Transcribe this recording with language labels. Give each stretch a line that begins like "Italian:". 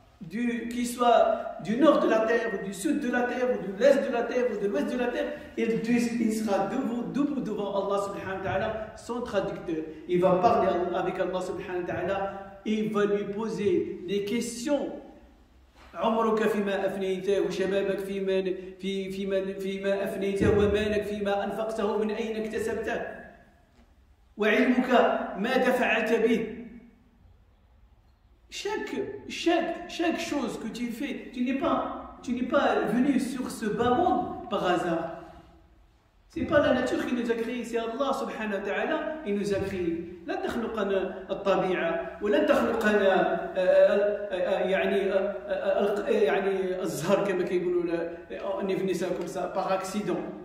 French: Qu'il soit du nord de la terre, ou du sud de la terre, ou de l'est de la terre, ou de l'ouest de la terre, il sera debout devant Allah subhanahu wa ta'ala, son traducteur. Il va parler avec Allah subhanahu wa ta'ala, et il va lui poser des questions.
Arabic: عمرك فيما أفنيته وشبابك فيما أفنيته ومالك فيما أنفقته من أين اكتسبته وعلمك ما دفعت به.
French: Chaque chose que tu fais, tu n'es pas venu sur ce bas monde par hasard. Ce n'est pas la nature qui nous a créés, c'est Allah subhanahu wa ta'ala qui nous a créés.
Arabic: La takhluqana al-tabi'a,
French: ou
Arabic: la takhluqana al-zahar,
French: comme ils disent, on est venu comme ça par accident.